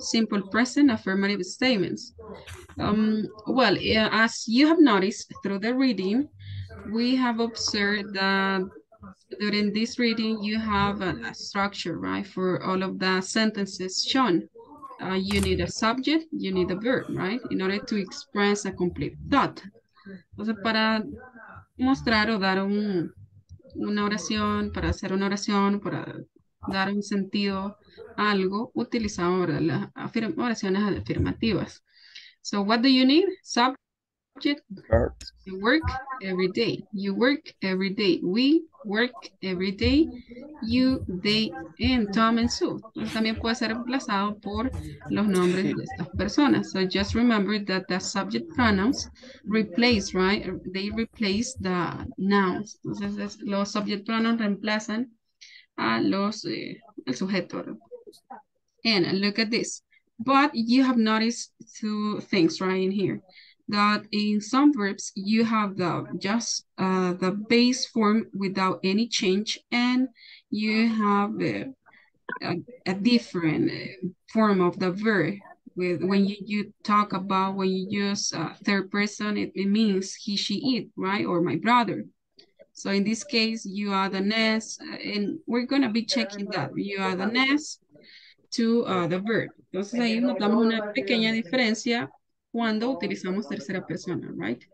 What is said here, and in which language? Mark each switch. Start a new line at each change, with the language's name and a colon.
English: Simple present affirmative statements. Well, as you have noticed through the reading, we have observed that during this reading you have a structure, right, for all of the sentences shown. You need a subject, you need a verb, right, in order to express a complete thought.
Spanish: Entonces, para mostrar o dar una oración, para hacer una oración, para dar un sentido a algo, utilizamos las oraciones afirmativas.
English: So, what do you need? Subject? Verb. You work every day. You work every day. We work every day. You, they, and Tom and Sue.
Spanish: Entonces, también puede ser reemplazado por los nombres de estas personas.
English: So just remember that the subject pronouns replace, right? They replace the nouns.
Spanish: Entonces, los subject pronouns reemplazan a los el sujeto.
English: And look at this. But you have noticed two things right in here. That in some verbs, you have the just the base form without any change, and you have a different form of the verb. When you talk about, when you use third person, it means he, she, it, right? Or my brother. So in this case, you are the nest, and we're gonna be checking that. You are the nest to the verb.
Spanish: Entonces ahí notamos una pequeña diferencia cuando utilizamos tercera persona, right?